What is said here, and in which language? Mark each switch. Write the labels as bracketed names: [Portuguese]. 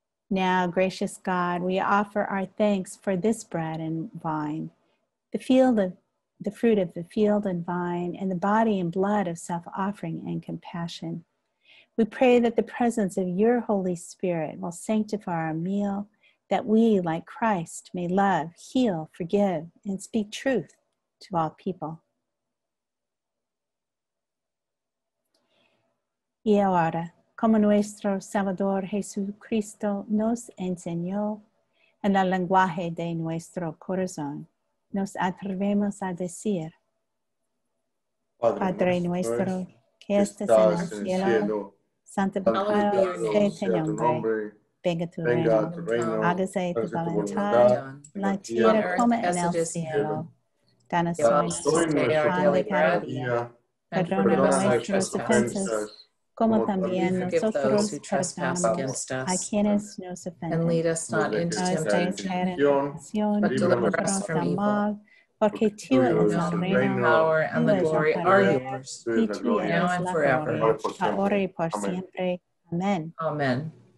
[English] Now, gracious God, we offer our thanks for this bread and vine, the fruit of the field and vine, and the body and blood of self-offering and compassion. We pray that the presence of your Holy Spirit will sanctify our meal, that we, like Christ, may love, heal, forgive, and speak truth to all people. [Spanish] Y ahora, como nuestro Salvador Jesucristo nos enseñó en el lenguaje de nuestro corazón, nos atrevemos a decir, Padre nuestro, que estás en el cielo, santificado sea tu nombre, venga tu reino, hágase tu voluntad, la tierra como en el cielo. Danos hoy nuestro pan de cada día, perdona nuestras ofensas, como también nosotros perdonamos a quienes nos ofenden. [English] And lead us not into temptation, but deliver us from evil. [Spanish] Porque tú eres el reino, [English] the power and the glory are yours, [Spanish] y tú eres [English] now and forever. [Spanish] Ahora y por siempre. Amen. Amen.